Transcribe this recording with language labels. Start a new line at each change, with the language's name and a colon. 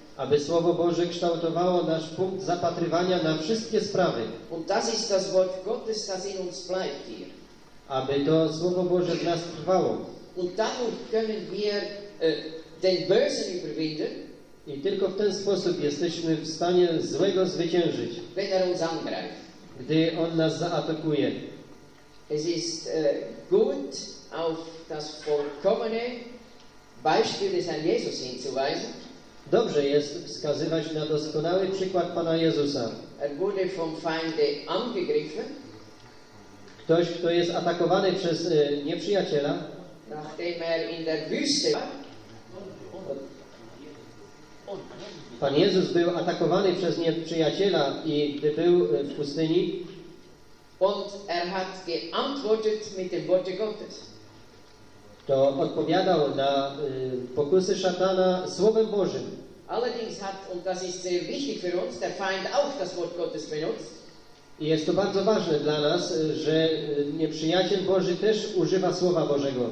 Polish: Aby Słowo Boże kształtowało nasz punkt zapatrywania na wszystkie sprawy.
German: Und das ist das Wort Gottes, das in uns bleibt hier.
Polish: Aby to Słowo Boże w nas trwało.
German: Und dadurch können wir den Bösen überwinden.
Polish: I tylko w ten sposób jesteśmy w stanie złego zwyciężyć.
German: Wenn er uns angreift.
Polish: Gdy on nas zaatakuje.
German: Es ist gut, auf das vollkommene Beispiel des Herrn Jesus hinzuweisen.
Polish: Dobrze jest wskazywać na doskonały przykład Pana Jezusa.
German: Er wurde vom Feinde angegriffen.
Polish: Ktoś, kto jest atakowany przez nieprzyjaciela.
German: Nachdem er in der Wüste war.
Polish: Pan Jezus był atakowany przez nieprzyjaciela i gdy był w pustyni.
German: Und er hat geantwortet mit dem Wort Gottes.
Polish: To odpowiadał na pokusy szatana Słowem Bożym.
German: Allerdings hat, und das ist sehr wichtig für uns, der Feind auch das Wort Gottes benutzt.
Polish: I jest to bardzo ważne dla nas, że nieprzyjaciel Boży też używa Słowa Bożego.